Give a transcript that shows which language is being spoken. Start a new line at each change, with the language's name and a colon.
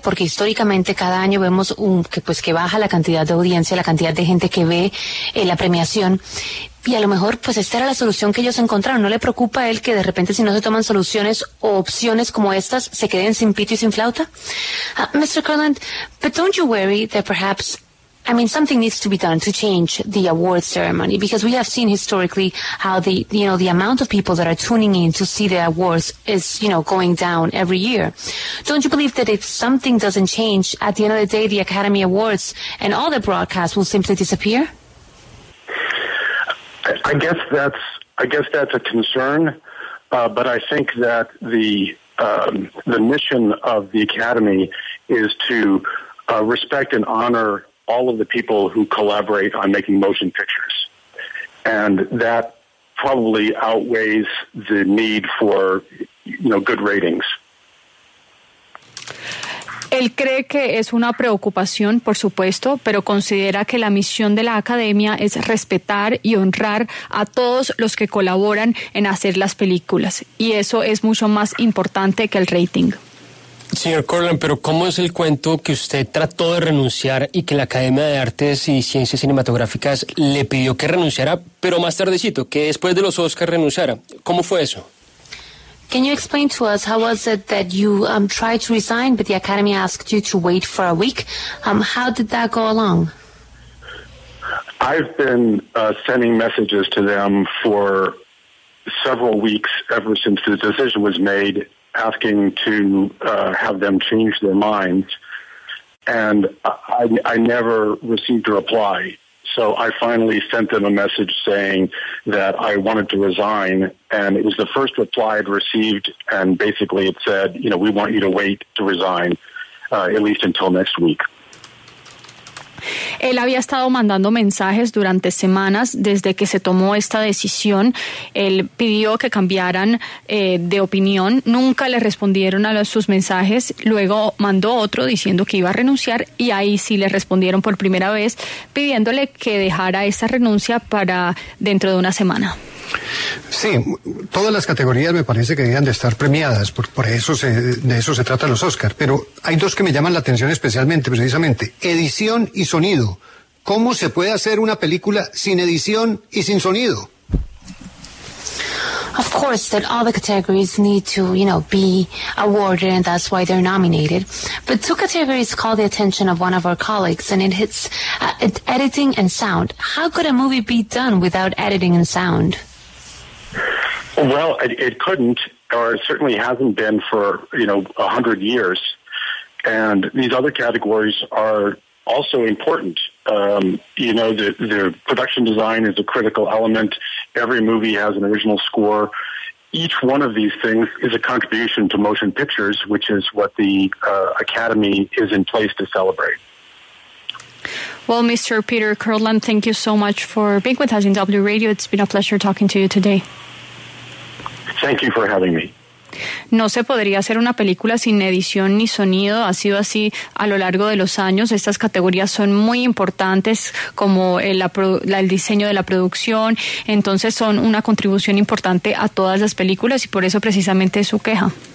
Spanish: Porque históricamente cada año vemos que baja la cantidad de audiencia, la cantidad de gente que ve la premiación. Y a lo mejor, pues esta era la solución que ellos encontraron. ¿No le preocupa a él que de repente, si no se toman soluciones o opciones como estas, se queden sin pito y sin flauta?
English: Mr. Kurland, but don't you worry that perhaps, I mean, something needs to be done to change the award ceremony, because we have seen historically how the, you know, the amount of people that are tuning in to see the awards is, you know, going down every year. Don't you believe that if something doesn't change, at the end of the day, the Academy Awards and all the broadcasts will simply disappear? I guess that's a concern, but I think that the mission of the Academy is to respect and honor all of the people who collaborate on making motion pictures. And that probably outweighs the need for, you know, good ratings.
Spanish: Él cree que es una preocupación, por supuesto, pero considera que la misión de la Academia es respetar y honrar a todos los que colaboran en hacer las películas. Y eso es mucho más importante que el rating. Señor Corlan, pero ¿cómo es el cuento que usted trató de renunciar y que la Academia de Artes y Ciencias Cinematográficas le pidió que renunciara, pero más tardecito, que después de los Oscars renunciara? ¿Cómo fue eso?
English: Can you explain to us how was it that you tried to resign, but the Academy asked you to wait for a week? How did that go along? I've been sending messages to them for several weeks ever since the decision was made, asking to have them change their minds, and I never received a reply. So I finally sent them a message saying that I wanted to resign, and it was the first reply I'd received, and basically it said, you know, we want you to wait to resign, at least until next week.
Spanish: Él había estado mandando mensajes durante semanas desde que se tomó esta decisión. Él pidió que cambiaran de opinión. Nunca le respondieron a sus mensajes. Luego mandó otro diciendo que iba a renunciar y ahí sí le respondieron por primera vez pidiéndole que dejara esa renuncia para dentro de una semana. Sí, todas las categorías me parece que debían de estar premiadas, por eso se trata los Oscar, pero hay dos que me llaman la atención especialmente, precisamente, edición y sonido. ¿Cómo se puede hacer una película sin edición y sin sonido?
English: Of course, that all the categories need to, you know, be awarded, and that's why they're nominated. But two categories call the attention of one of our colleagues, and it hits editing and sound. How could a movie be done without editing and sound? Well, it couldn't, or it certainly hasn't been for, you know, 100 years. And these other categories are also important. You know, the production design is a critical element. Every movie has an original score. Each one of these things is a contribution to motion pictures, which is what the Academy is in place to celebrate. Well, Mr. Peter Kurland, thank you so much for being with us in W Radio. It's been a pleasure talking to you today. Thank you for having me.
Spanish: No se podría hacer una película sin edición ni sonido. Ha sido así a lo largo de los años. Estas categorías son muy importantes, como el diseño de la producción. Entonces son una contribución importante a todas las películas y por eso precisamente es su queja.